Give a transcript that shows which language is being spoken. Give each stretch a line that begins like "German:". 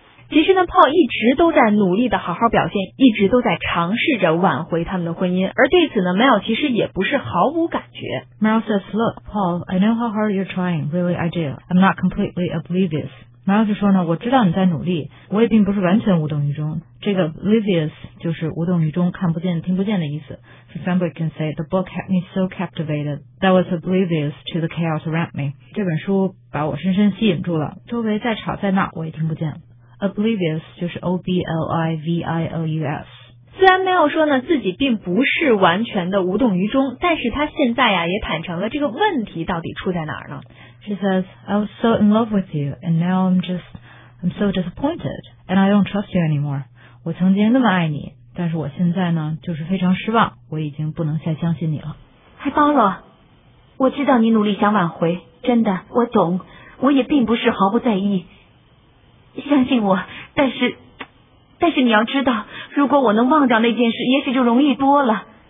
Chinese: 其实呢 Paul 一直都在努力的好好表现，一直都在尝试着挽回他们的婚姻，而对此呢 Mel 其实也不是毫无感觉。
English: Mel says, look Paul, I know how hard you're trying, really I do, I'm not completely oblivious.
Chinese: Mel 就说呢，我知道你在努力，我也并不是完全无动于衷。这个 oblivious 就是无动于衷，看不见听不见的意思。
English: For example, you can say, the book had me so captivated that was oblivious to the chaos around me.
Chinese: 这本书把我深深吸引住了，周围再吵再闹我也听不见。 Oblivious 就是 O-B-L-I-V-I-O-U-S。虽然 Mel 说呢自己并不是完全的无动于衷，但是他现在呀也坦诚了这个问题到底出在哪儿呢。
English: She says, I was so in love with you, and now I'm so disappointed, and I don't trust you anymore.
Chinese: 我曾经那么爱你，但是我现在呢就是非常失望，我已经不能再相信你了。还包罗，我知道你努力想挽回，真的，我懂，我也并不是毫不在意。相信我，但是你要知道，如果我能忘掉那件事，也许就容易多了。